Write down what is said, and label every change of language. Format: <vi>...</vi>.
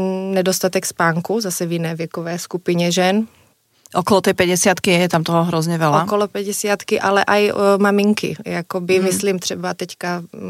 <cs>Nedostatek spánku, zase v jiné věkové skupině žen.</cs> <sk>Okolo té 50-ky je tam toho hrozně veľa. Okolo 50-ky, ale aj maminky,</sk> <cs>jakoby myslím třeba teďka...</cs>